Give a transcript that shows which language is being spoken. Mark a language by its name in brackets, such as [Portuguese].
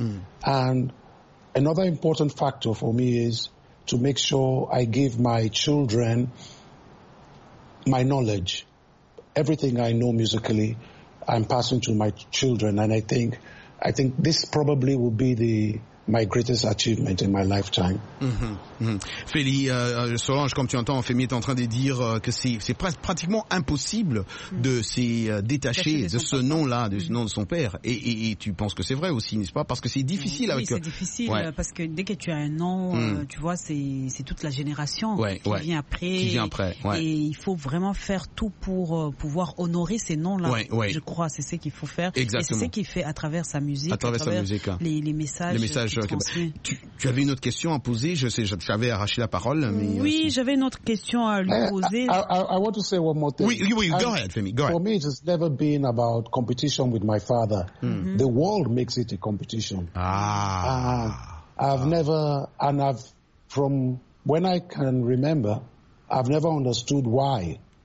[English] Mm. And another important factor for me is to make sure I give my children my knowledge. Everything I know musically, I'm passing to my children. And I think this probably will be the my greatest achievement in my lifetime. [French] Féli, Solange, comme tu entends, Femi est en train de dire que c'est pratiquement impossible de s'y détacher de ce nom-là, de ce nom de son père. Et tu penses que c'est vrai aussi, n'est-ce pas? Parce que c'est difficile avec... Oui, c'est difficile, ouais. Parce que dès que tu as un nom, tu vois, c'est toute la génération vient après. Qui vient après, ouais. Et il faut vraiment faire tout pour pouvoir honorer ces noms-là. Ouais. Je crois, c'est ce qu'il faut faire. Exactement. Et c'est ce qu'il fait à travers sa musique, les messages. Tu avais une autre question à poser, j'avais arraché la parole. Mais oui, j'avais une autre question à lui poser. [English] I want to say one more thing. [French] Oui, [English] go ahead, Femi. For me, it has never been about competition with my father. Mm-hmm. The world makes it a competition. Ah. From when I can remember, I've never understood why.